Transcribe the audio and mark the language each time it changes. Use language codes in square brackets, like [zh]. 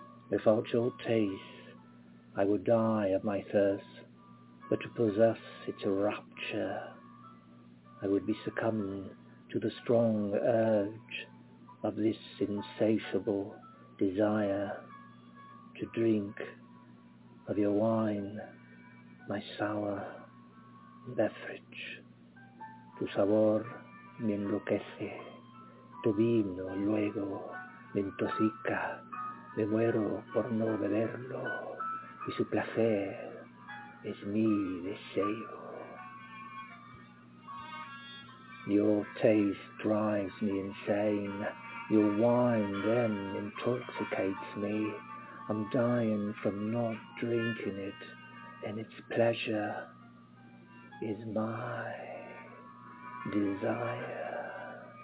[en] Without your taste, I would die of my thirst, but to possess its rapture, I would be succumbing to the strong urge of this insatiable desire to drink of your wine, my sour beverage. [es] tu sabor me enloquece, tu vino luego me intoxica, me muero por no beberlo, y su placer es mi deseo. [en] Your taste drives me insane, your wine then intoxicates me, I'm dying from not drinking it, and its pleasure is my desire.